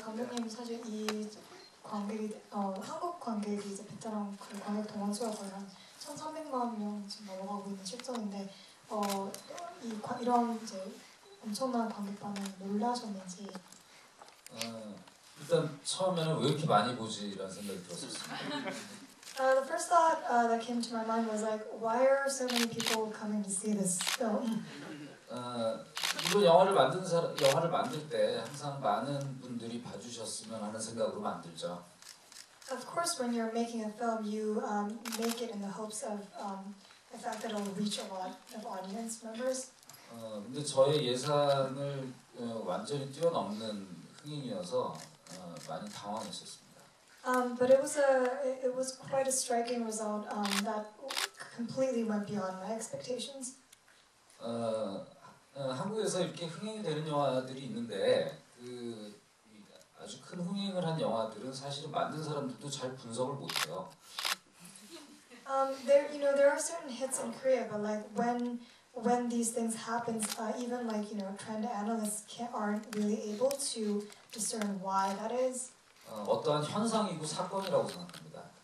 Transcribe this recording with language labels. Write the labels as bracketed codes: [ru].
[ko] 감독님 사실 이 관객이 한국 관객이 이제 베테랑 그 관객 동원 수가 거의 한 1,300만 명 지금 넘어가고 있는 실정인데 이 이런 이제 엄청난 관객 반응 놀라셨는지. 일단 처음에는 왜 이렇게 많이 보지라는 생각이 들었었어요. [en] The first thought that came to my mind was like, why are so many people coming to see this film? [ko] 이번 영화를 만든 사람 영화를 만들 때 항상 많은 분들이 봐주셨으면 하는 생각으로 만들죠. [en] Of course, when you're making a film, you make it in the hopes of the fact that it'll reach a lot of audience members. [ko] 근데 저의 예상을 완전히 뛰어넘는 흥행이어서 많이 당황했었습니다. [en] But it was it was quite a striking result that completely went beyond my expectations. [ko] 한국에서 이렇게 흥행이 되는 영화들이 있는데 그 아주 큰 흥행을 한 영화들은 사실은 만든 사람들도 잘 분석을 못해요. [en] There, you know, there are certain hits in Korea, but like when these things happen, even like you know, trend analysts aren't really able to discern why that is. [ko] 어떠한 현상이고 사건이라고 생각합니다.